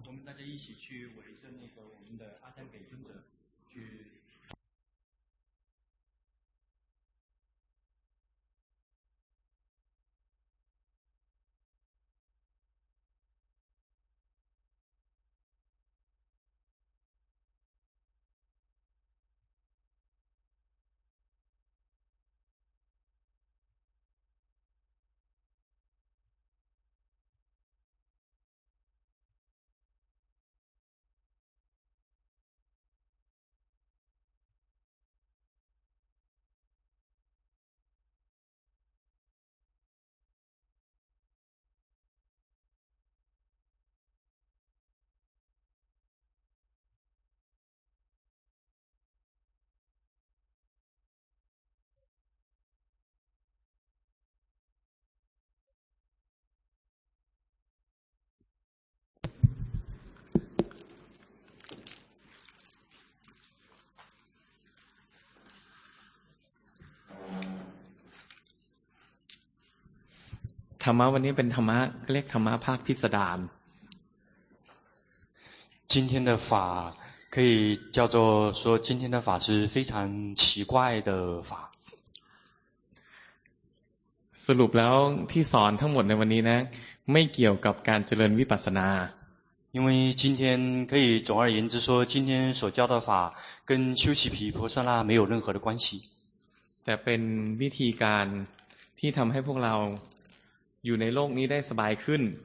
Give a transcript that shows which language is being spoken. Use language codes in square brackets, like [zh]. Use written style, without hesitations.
[th] ธ รรมะวันนี้เป็นธรรมะเรียกธรรมะภาคพิสดาร [zh] 今天的法可以叫做说今天的法是非常奇怪的法 [th] สรุปแล้วที่สอนทั้งหมดในวันนี้นะไม่เกี่ยวกับการเจริญวิปัสสนา [zh] 因为今天可以总而言之说今天所教的法跟修习毗婆舍那没有任何的关系 [th] แต่เป็นวิธีการที่ทำให้พวกเราอยู่ในโลกนี้ได้สบายขึ้น